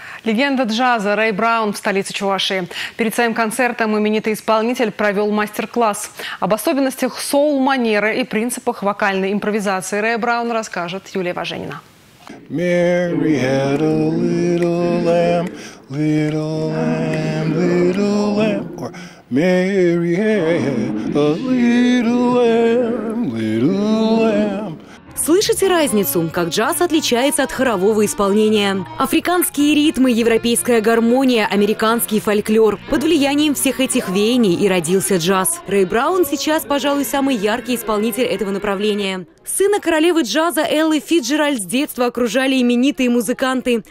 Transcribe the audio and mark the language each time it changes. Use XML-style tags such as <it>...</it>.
<ru>Легенда джаза Рэй Браун в столице Чувашии. Перед своим концертом именитый исполнитель провел мастер-класс. Об особенностях соул-манеры и принципах вокальной импровизации Рэя Брауна расскажет Юлия Важенина.</ru> <en>Mary had a little lamb, little lamb. Or Mary had a little lamb, little lamb.</en> <ru>Слышите разницу, как джаз отличается от хорового исполнения? Африканские ритмы, европейская гармония, американский фольклор. Под влиянием всех этих веяний и родился джаз. Рэй Браун сейчас, пожалуй, самый яркий исполнитель этого направления. Сына королевы джаза Эллы Фицджеральд с детства окружали именитые музыканты.</ru>